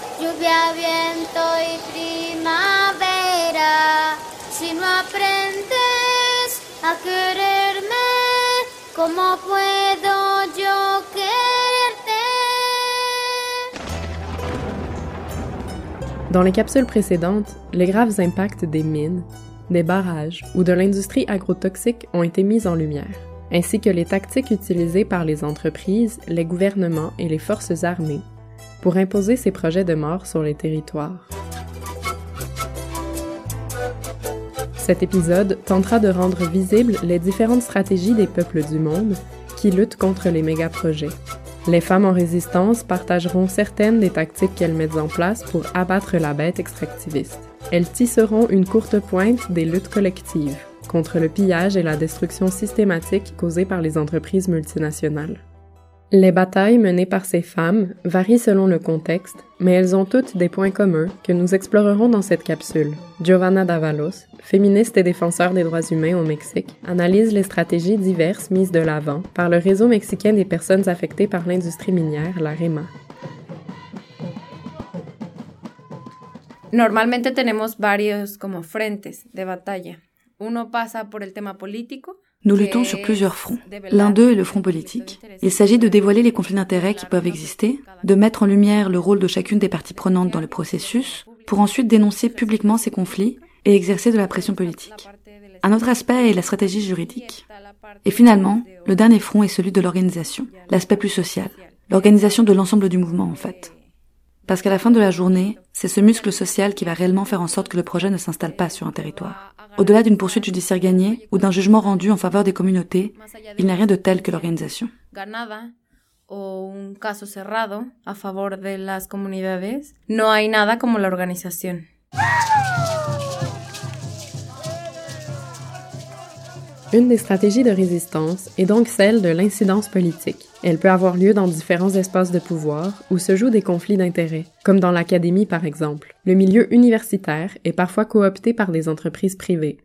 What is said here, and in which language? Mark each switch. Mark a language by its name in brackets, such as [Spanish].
[Spanish] Lluvia, viento y primavera. Si no aprendes a quererme, ¿cómo puedo yo quererte? [French] Dans les capsules précédentes, les graves impacts des mines, des barrages ou de l'industrie agrotoxique ont été mis en lumière, ainsi que les tactiques utilisées par les entreprises, les gouvernements et les forces armées pour imposer ses projets de mort sur les territoires. Cet épisode tentera de rendre visibles les différentes stratégies des peuples du monde qui luttent contre les méga-projets. Les femmes en résistance partageront certaines des tactiques qu'elles mettent en place pour abattre la bête extractiviste. Elles tisseront une courte pointe des luttes collectives contre le pillage et la destruction systématique causées par les entreprises multinationales. Les batailles menées par ces femmes varient selon le contexte, mais elles ont toutes des points communs que nous explorerons dans cette capsule. Giovanna Davalos, féministe et défenseur des droits humains au Mexique, analyse les stratégies diverses mises de l'avant par le réseau mexicain des personnes affectées par l'industrie minière, la REMA. [Spanish] Normalmente tenemos varios como frentes de batalla. Uno pasa por el tema político. [French] Nous luttons sur plusieurs fronts. L'un d'eux est le front politique. Il s'agit de dévoiler les conflits d'intérêts qui peuvent exister, de mettre en lumière le rôle de chacune des parties prenantes dans le processus, pour ensuite dénoncer publiquement ces conflits et exercer de la pression politique. Un autre aspect est la stratégie juridique. Et finalement, le dernier front est celui de l'organisation, l'aspect plus social, l'organisation de l'ensemble du mouvement en fait. Parce qu'à la fin de la journée, c'est ce muscle social qui va réellement faire en sorte que le projet ne s'installe pas sur un territoire. Au-delà d'une poursuite judiciaire gagnée ou d'un jugement rendu en faveur des communautés, il n'y a rien de tel que l'organisation. [Spanish] Ganada o un caso cerrado a favor de las comunidades, no hay nada como la organización. [French] Une des stratégies de résistance est donc celle de l'incidence politique. Elle peut avoir lieu dans différents espaces de pouvoir où se jouent des conflits d'intérêts, comme dans l'académie par exemple. Le milieu universitaire est parfois coopté par des entreprises privées.